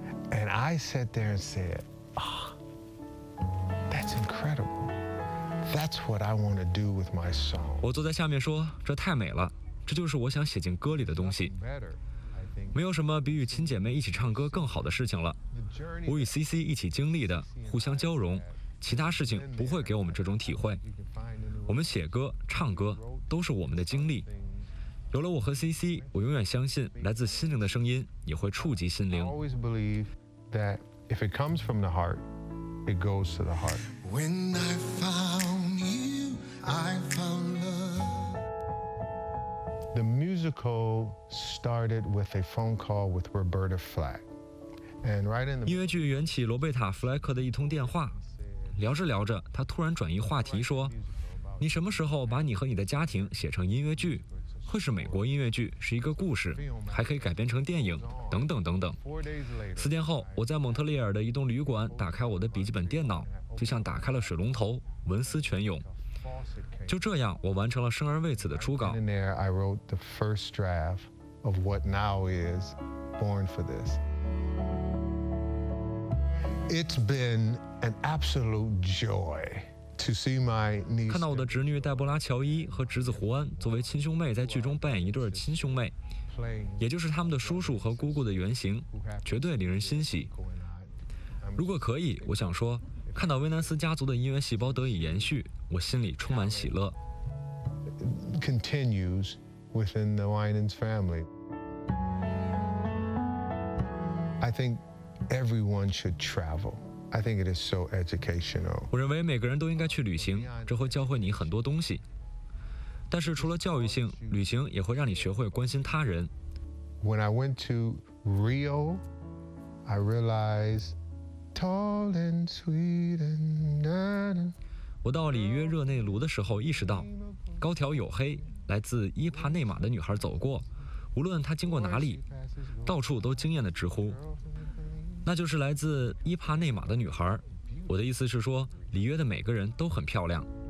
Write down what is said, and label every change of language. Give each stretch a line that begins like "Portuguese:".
English: And I sat there and said, "Ah, that's incredible. That's what I want to do with my song."
Chinese: 我坐在下面说："这太美了，这就是我想写进歌里的东西。没有什么比与亲姐妹一起唱歌更好的事情了。我与 CC 一起经历的，互相交融，其他事情不会给我们这种体会。" 我们写歌、唱歌都是我们的经历。有了我和 CC， 我永远相信来自心灵的声音也会触及心灵。
English: I always believe that if it comes from the heart, it goes to the heart. When I found you, I found love. The musical started with a phone call with Roberta Flack, and right in the
Chinese: 音乐剧缘起罗贝塔·弗莱克的一通电话。聊着聊着，他突然转移话题说。你什么时候把你和你的家庭写成音乐剧？会是美国音乐剧，是一个故事，还可以改编成电影，等等等等。四天后，我在蒙特利尔的一栋旅馆打开我的笔记本电脑，就像打开了水龙头，文思泉涌。就这样，我完成了生而为此的初稿。
English: I wrote the first draft of what now is Born for This. It's been an absolute joy. To see my niece,
Chinese: 看到我的侄女黛波拉·乔伊和侄子胡恩作为亲兄妹在剧中扮演一对亲兄妹，也就是他们的叔叔和姑姑的原型，绝对令人欣喜。如果可以，我想说，看到威南斯家族的音乐细胞得以延续，我心里充满喜乐。
English: Continues within the Winans family. I think everyone should travel. I think it is so educational.
Chinese: 我认为每个人都应该去旅行，这会教会你很多东西。但是除了教育性，旅行也会让你学会关心他人。
English: When I went to Rio, I realized tall and sweet and nana.
Chinese: 我到里约热内卢的时候意识到，高挑黝黑，来自伊帕内马的女孩走过，无论她经过哪里，到处都惊艳地直呼。那就是来自伊帕内马的女孩。我的意思是说，里约的每个人都很漂亮。